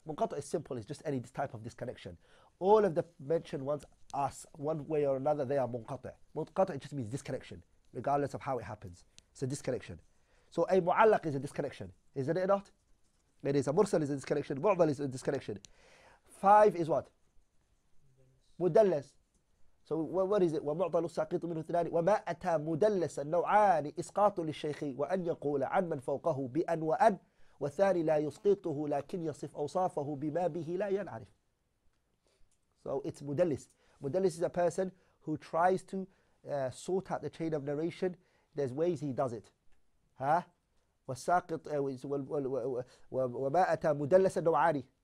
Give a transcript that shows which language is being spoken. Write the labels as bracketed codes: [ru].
[en] Muqata is simple, it's just any type of disconnection. All of the mentioned ones are, one way or another, they are muqata. Muqata just means disconnection, regardless of how it happens. It's a disconnection. So a mu'allaq is a disconnection, isn't it not? It is. A mursal is a disconnection. Mu'dal is a disconnection. Five is what? مدلس. So what is it? [ar] ومعضل الساقط منه ثنان وما أتى مدلس النوعان إسقاط للشيخ وأن يقول عن من فوقه بأن وأن والثاني لا يسقطه لكن يصف أوصافه بما به لا ينعرف. [en] So it's مدلس. مدلس is a person who tries to sort out the chain of narration. There's ways he does it. Huh? [ar] والساقط وما أتى مدلس النوعان.